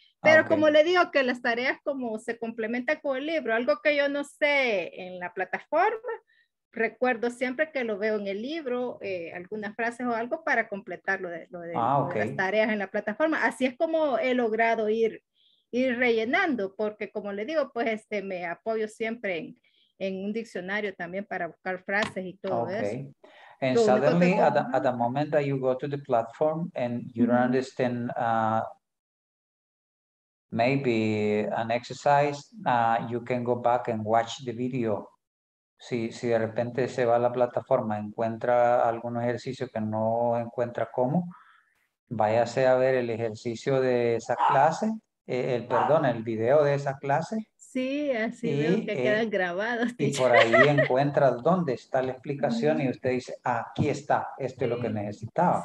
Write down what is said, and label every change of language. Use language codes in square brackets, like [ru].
[es] Pero como le digo, que las tareas como se complementan con el libro, algo que yo no sé en la plataforma, recuerdo siempre que lo veo en el libro, algunas frases o algo para completar lo de las tareas en la plataforma. Así es como he logrado ir rellenando, porque como le digo, pues me apoyo siempre en un diccionario también para buscar frases y todo eso. [en] And suddenly, at the moment that you go to the platform and you don't understand... maybe an exercise, you can go back and watch the video. [es] Si de repente se va a la plataforma, encuentra algún ejercicio que no encuentra cómo, váyase a ver el ejercicio de esa clase, el video de esa clase. Sí, así y, veo que quedan grabados. Y por ahí encuentra dónde está la explicación y usted dice, aquí está, esto es lo que necesitaba.